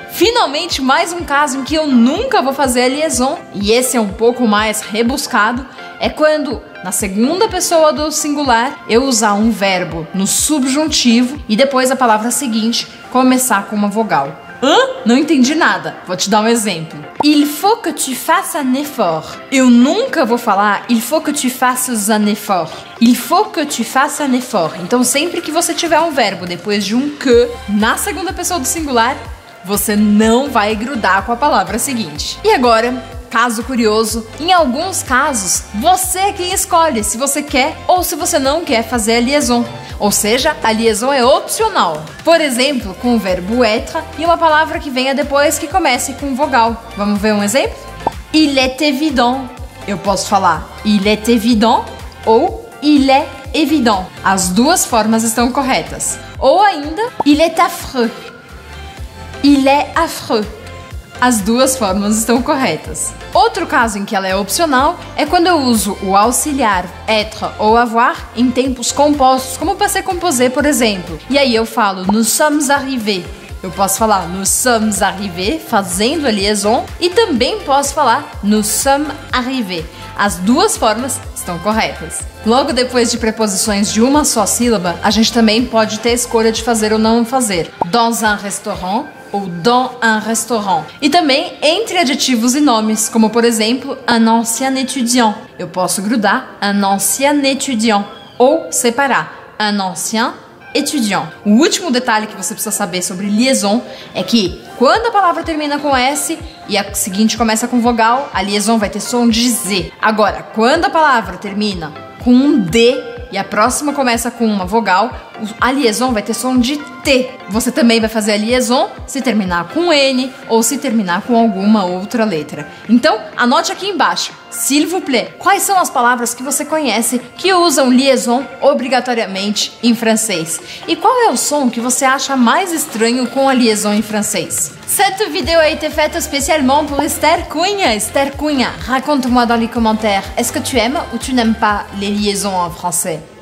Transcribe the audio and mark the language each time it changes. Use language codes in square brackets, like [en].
[pt] Finalmente, mais um caso em que eu nunca vou fazer a liaison, e esse é um pouco mais rebuscado, é quando na segunda pessoa do singular, eu usar um verbo no subjuntivo e depois a palavra seguinte começar com uma vogal. Hã? Não entendi nada. Vou te dar um exemplo. [fr] Il faut que tu fasses un effort. [pt] Eu nunca vou falar [fr] il faut que tu fasses un effort. Il faut que tu fasses un effort. [pt] Então, sempre que você tiver um verbo depois de um que na segunda pessoa do singular, você não vai grudar com a palavra seguinte. E agora, caso curioso. Em alguns casos, você é quem escolhe se você quer ou se você não quer fazer a liaison. Ou seja, a liaison é opcional. Por exemplo, com o verbo être e uma palavra que venha depois que comece com vogal. Vamos ver um exemplo? [fr] Il est évident. [pt] Eu posso falar [fr] il est évident ou il est évident. [pt] As duas formas estão corretas. Ou ainda, [fr] il est affreux. Il est affreux. [pt] As duas formas estão corretas. Outro caso em que ela é opcional é quando eu uso o auxiliar être ou avoir em tempos compostos, como o passé composé, por exemplo. E aí eu falo [fr] nous sommes arrivés. [pt] Eu posso falar [fr] nous sommes arrivés, [pt] fazendo a liaison, e também posso falar nous sommes arrivés. As duas formas estão corretas. Logo depois de preposições de uma só sílaba, a gente também pode ter a escolha de fazer ou não fazer. [fr] Dans un restaurant ou dans un restaurant. [pt] E também entre adjetivos e nomes, como por exemplo, [fr] un ancien étudiant. [pt] Eu posso grudar [fr] un ancien étudiant [pt] ou separar un ancien étudiant. O último detalhe que você precisa saber sobre liaison é que quando a palavra termina com S e a seguinte começa com vogal, a liaison vai ter som de Z. Agora, quando a palavra termina com um D e a próxima começa com uma vogal, a liaison vai ter som de T. Você também vai fazer a liaison se terminar com N ou se terminar com alguma outra letra. Então, anote aqui embaixo, [fr] s'il vous plaît, [pt] quais são as palavras que você conhece que usam liaison obrigatoriamente em francês? E qual é o som que você acha mais estranho com a liaison em francês? [fr] Cette vidéo a été faite spécialement pour Esther Cunha. Esther Cunha, raconte-moi dans les commentaires, est-ce que tu aimes ou tu n'aimes pas les liaisons en français?